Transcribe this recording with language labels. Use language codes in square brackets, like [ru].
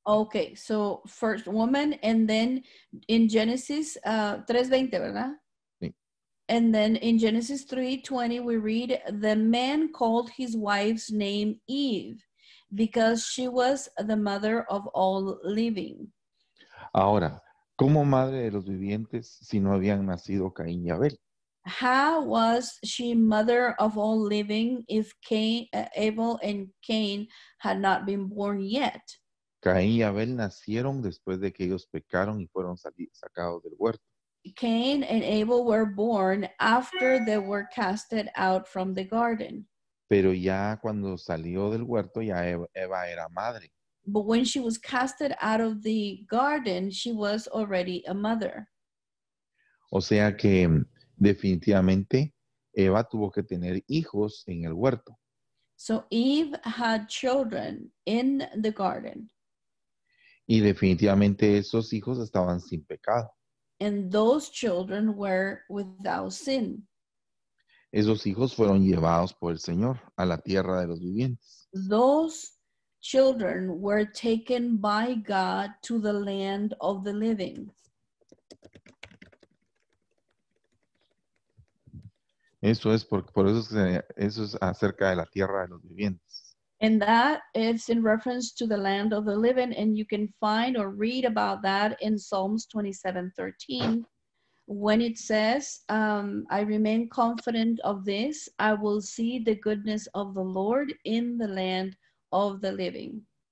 [en] Okay, so first woman and then in Genesis 3:20, [es] ¿verdad? [en] And then in Genesis 3:20, we read, the man called his wife's name Eve, because she was the mother of all living. [es] Ahora, ¿cómo madre de los vivientes si no habían nacido Caín y Abel? [en] How was she mother of all living if Abel and Cain had not been born yet? [es] Caín y Abel nacieron después de que ellos pecaron y fueron sacados del huerto. [en] Cain and Abel were born after they were casted out from the garden. [es] Pero ya cuando salió del huerto, ya Eva era madre. [en] But when she was casted out of the garden, she was already a mother. [es] O sea que definitivamente Eva tuvo que tener hijos en el huerto. [en] So Eve had children in the garden. [es] Y definitivamente esos hijos estaban sin pecado. [en] And those children were without sin. [es] Esos hijos fueron llevados por el Señor a la tierra de los vivientes. [en] Those children were taken by God to the land of the living. [es] Eso es por eso, eso es acerca de la tierra de los vivientes. [en] And that is in reference to the land of the living, and you can find or read about that in Psalms 27:13, when it says, I remain confident of this, I will see the goodness of the Lord in the land of the living.